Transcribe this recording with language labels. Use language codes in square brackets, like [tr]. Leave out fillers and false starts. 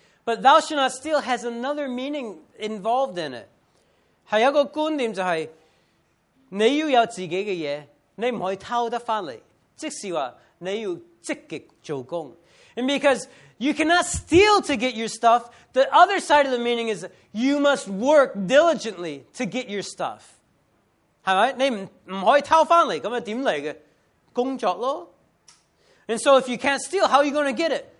[en] But thou shalt not steal has another meaning involved in it. [zh] 是一个观念就是你要有自己的东西,你不可以偷得回来,即使说你要积极做工。 [en] And because you cannot steal to get your stuff, the other side of the meaning is you must work diligently to get your stuff. [zh] 是吧?你不可以偷回来,那怎么来的?工作咯。 [en] And so if you can't steal, how are you going to get it?